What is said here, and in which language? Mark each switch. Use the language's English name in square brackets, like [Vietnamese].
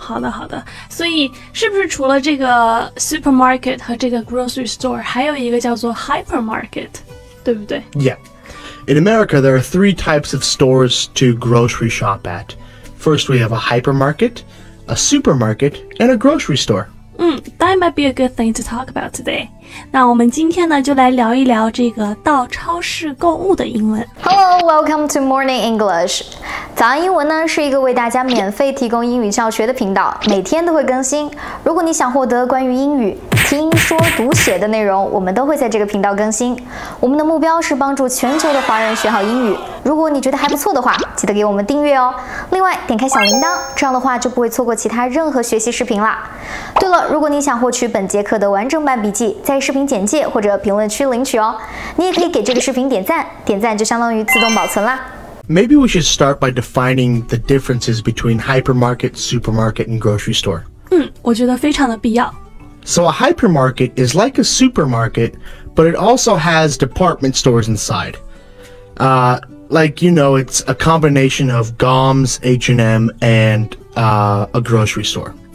[Chinese] 好的。所以是不是除了这个 supermarket 和这个 grocery store, 还有一个叫做 hypermarket, 对不对 [English] ？Yeah. In America, there are three types of stores to grocery shop at. First, we have a hypermarket, a supermarket, and a grocery store. That might be a good thing to talk about today. [Chinese] 那我们今天呢就来聊一聊这个到超市购物的英文。 [English] Hello, welcome to Morning English. [Chinese] 早安英文呢是一个为大家免费提供英语教学的频道，每天都会更新。如果你想获得关于英语听说读写的内容，我们都会在这个频道更新。我们的目标是帮助全球的华人学好英语。如果你觉得还不错的话，记得给我们订阅哦。另外，点开小铃铛，这样的话就不会错过其他任何学习视频啦。对了，如果你想获取本节课的完整版笔记，在视频简介或者评论区领取哦。你也可以给这个视频点赞，点赞就相当于自动保存啦。 [English] Maybe we should start by defining the differences between hypermarket, supermarket, and grocery store. [Chinese] 我觉得非常的必要。 [English] So a hypermarket is like a supermarket, but it also has department stores inside. Like, you know, it's a combination of GOMS, H&M, and a grocery store.